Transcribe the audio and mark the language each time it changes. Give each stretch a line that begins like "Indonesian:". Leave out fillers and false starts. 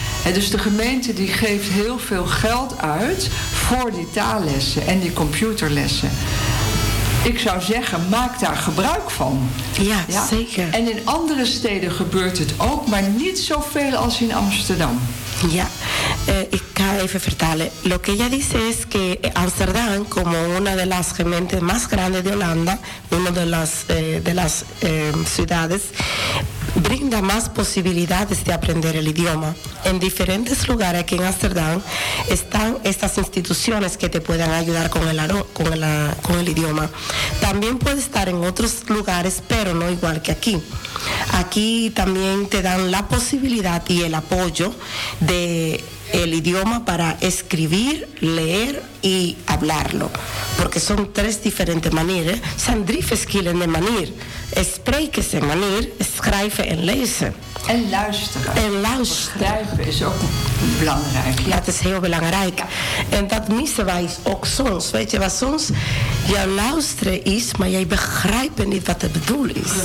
Dutch: En dus de gemeente die geeft heel veel geld uit voor die taallessen en die computerlessen. Ik zou zeggen, maak daar gebruik van. Ja, ja, zeker. En in andere steden gebeurt het ook, maar niet zoveel als in Amsterdam. Ja, ik ga even vertalen.
Spanish: Lo que ella dice es que Amsterdam, como una de las gemeentes más grandes de Holanda, una de las ciudades, brinda más posibilidades de aprender el idioma. En diferentes lugares aquí en Amsterdam están estas instituciones que te pueden ayudar con el idioma. También puede estar en otros lugares, pero no igual que aquí. Aquí también te dan la posibilidad y el apoyo de el idioma para escribir, leer y hablarlo, porque son tres diferentes maneras.
Dutch: Son drie verschillende manieren. Spreken is een manier, schrijven en lezen. En luisteren. En luisteren. Schrijven is ook belangrijk. Ja, dat is heel belangrijk. En dat missen wij ook soms. Weet je wat soms? Jouw luisteren is, maar jij begrijpt niet wat het bedoel is.